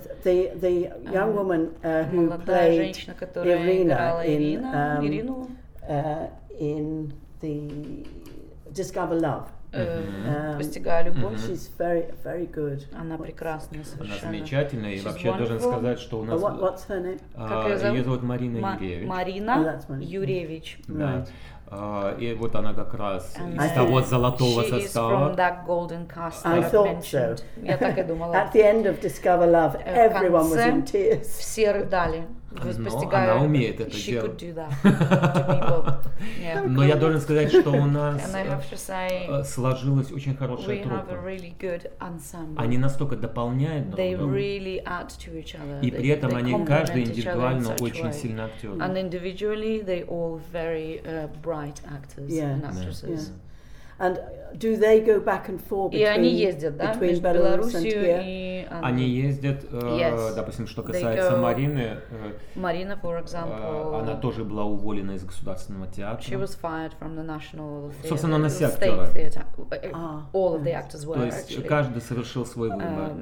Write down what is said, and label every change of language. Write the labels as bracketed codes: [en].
[en] The young woman who played Ирину in the Discover Love. [ru] Постигая любовь. [en] She's very, very good. [ru] Она прекрасная совершенно. Она замечательная. [en] She's [ru] и вообще я должен сказать, что у нас... [en] What's her name? [ru] Ее зовут Марина Юревич. Марина Юревич. И вот она как раз из того золотого состава. [en] She is from that golden cast that I've mentioned. [ru] Я так и думала. [en] At the end of Discover Love, everyone was in tears. [ru] Все рыдали. Она умеет это [en] she [ru] делать. [en] Could do that to people. Yeah. [ru] Но я должен сказать, что у нас сложилась очень хорошая труппа. [en] Really [ru] они настолько дополняют друг друга. [en] Really [ru] и [en] they, [ru] при этом они каждый индивидуально очень сильный актер. [en] And individually they all very bright actors and actresses. Yeah. And do they go back and forth between, [ru] и они ездят, да, [en] between [ru] между [en] Belarus and here? And... [ru] Они ездят, [en] yes. [ru] Допустим, что касается Марины, [en] Marina, for example, [ru] она тоже была уволена из государственного театра. [en] She was fired from the national theater. [ru] Собственно, она вся актера. [en] All of the actors were, [ru] то есть [en] actually. [ru] Каждый совершил свой выбор.